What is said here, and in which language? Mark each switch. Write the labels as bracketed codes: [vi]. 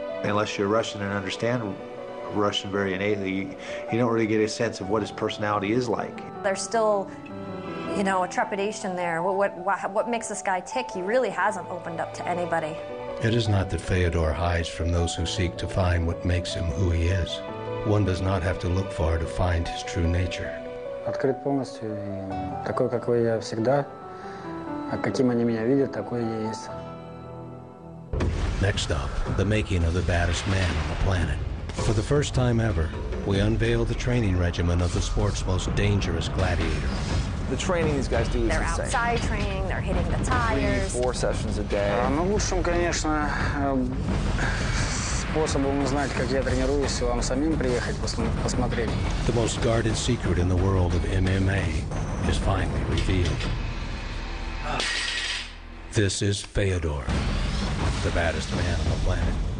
[en] Unless you're Russian and understand Russian very innately, you don't really get a sense of what his personality is like. There's still, you know, a trepidation there. What makes this guy tick? He really hasn't opened up to anybody. It is not that Fedor hides from those who seek to find what makes him who he is. One does not have to look far to find his true nature. [ru] Открыт полностью, такой, какой я всегда. А каким они меня видят, такой я есть. [en] Next up, the making of the baddest man on the planet. For the first time ever, we unveil the training regimen of the sport's most dangerous gladiator. The training these guys do is insane. They're outside training, they're hitting the tires. Three, four sessions a day. [ru] Ну, лучшим, конечно, способом узнать, как я тренируюсь, вам самим приехать посмотреть. [en] The most guarded secret in the world of MMA is finally revealed. This is Fedor, the baddest man on the planet.